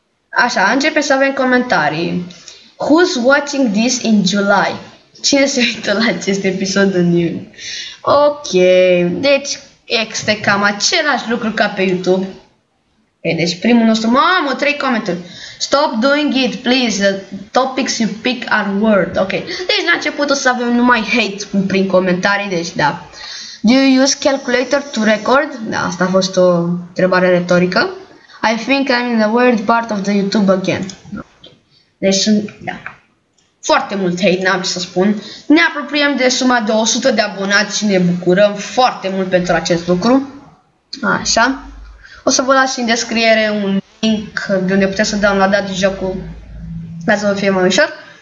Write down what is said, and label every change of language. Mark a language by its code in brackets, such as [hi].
[ro] Așa, începe să avem comentarii. [en] Who's watching this in July? [ro] Cine se uită la acest episod în iunie? Ok, deci este cam același lucru ca pe YouTube. Okay, deci primul nostru, mamă, trei comentarii. [en] Stop doing it, please. The topics you pick are word. [ro] Ok, deci la început o să avem numai hate prin comentarii, deci da. [en] Do you use calculator to record? [ro] Da, asta a fost o întrebare retorică. [en] I think I'm in the weird part of the YouTube again. [ro] Deci sunt, da, foarte mult hate, n-am ce să spun. Ne apropiem de suma de 100 de abonați și ne bucurăm foarte mult pentru acest lucru. Așa. O să vă las și în descriere un link de unde puteți să downloadați jocul. Ca să vă fie mai ușor.